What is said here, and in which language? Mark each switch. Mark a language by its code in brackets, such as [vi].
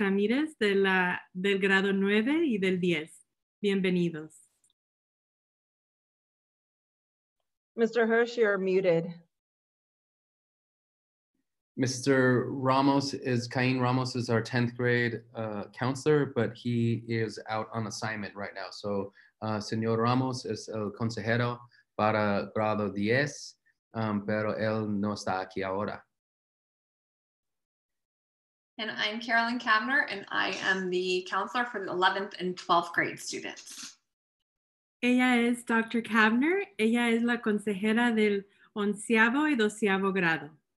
[es] Ramirez, del grado 9 y del 10. Bienvenidos. [en] Mr. Hirsch, you're muted. Mr. Ramos is, Cain Ramos is our 10th grade counselor, but he is out on assignment right now. [es] So, Señor Ramos es el consejero para grado 10, pero él no está aquí ahora. [en] And I'm Carolyn Kavner, and I am the counselor for the 11th and 12th grade students. [es] Ella es Dr. Kavner. Ella es la consejera del 11º y 12º grado.